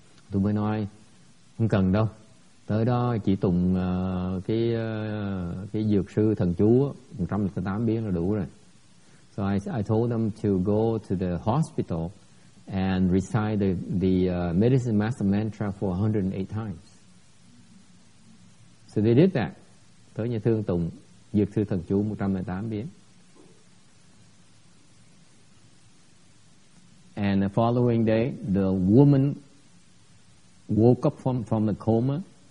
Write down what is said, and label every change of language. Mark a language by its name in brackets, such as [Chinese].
[Vietnamese] Tôi mới nói không cần đâu, tới đó chỉ tụng cái dược sư thần chú 108 biến là đủ rồi. [English] So I told them to go to the hospital and recite the Medicine Master Mantra for 108 times. So they did that. [Vietnamese] Tới nhà thương tụng dược sư thần chú 108 biến. [English] And the following day, the woman woke up from the coma.